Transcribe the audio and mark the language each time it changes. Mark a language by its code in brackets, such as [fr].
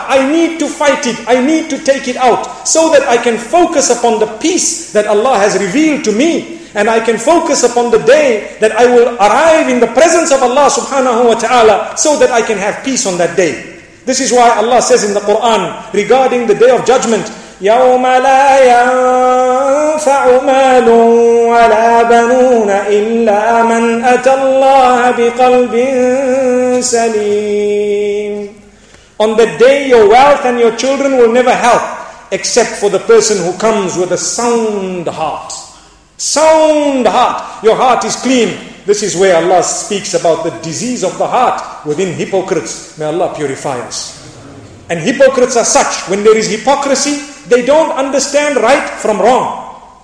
[en] I need to fight it. I need to take it out so that I can focus upon the peace that Allah has revealed to me. And I can focus upon the day that I will arrive in the presence of Allah subhanahu wa ta'ala so that I can have peace on that day. This is why Allah says in the Quran regarding the day of judgment, [ar] يوم لا ينفع مال ولا بنون إلا من أتى الله بقلب سليم. [en] On that day your wealth and your children will never help except for the person who comes with a sound heart. Sound heart, your heart is clean. This is where Allah speaks about the disease of the heart within hypocrites. May Allah purify us. And hypocrites are such, when there is hypocrisy, they don't understand right from wrong.